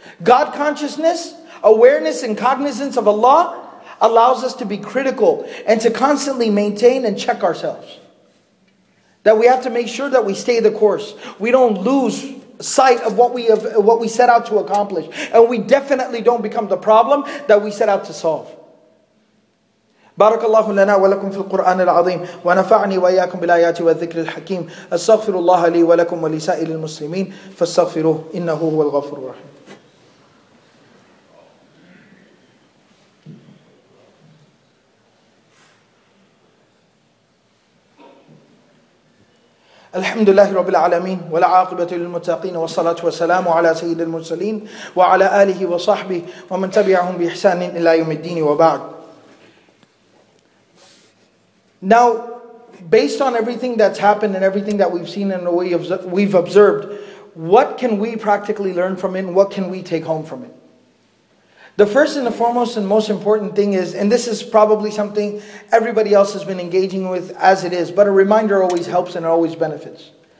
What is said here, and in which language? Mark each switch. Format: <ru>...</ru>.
<en>God consciousness, awareness and cognizance of Allah allows us to be critical and to constantly maintain and check ourselves. That we have to make sure that we stay the course. We don't lose sight of what we set out to accomplish. And we definitely don't become the problem that we set out to solve.</en> <ar>بارك الله لنا ولكم في القرآن العظيم ونفعني وإياكم بالآيات والذكر الحكيم أستغفر الله لي ولكم ولسائر المسلمين فاستغفروه إنه هو الغفور الرحيم. الحمد لله رب العالمين ولا عاقبة للمتقين والصلاة والسلام على سيد المرسلين وعلى آله وصحبه ومن تبعهم بإحسان إلى يوم الدين وبعد.</ar> <en>Now, based on everything that's happened and everything that we've seen and the way we've observed, what can we practically learn from it and what can we take home from it? The first and the foremost and most important thing is, and this is probably something everybody else has been engaging with as it is, but a reminder always helps and always benefits.</en>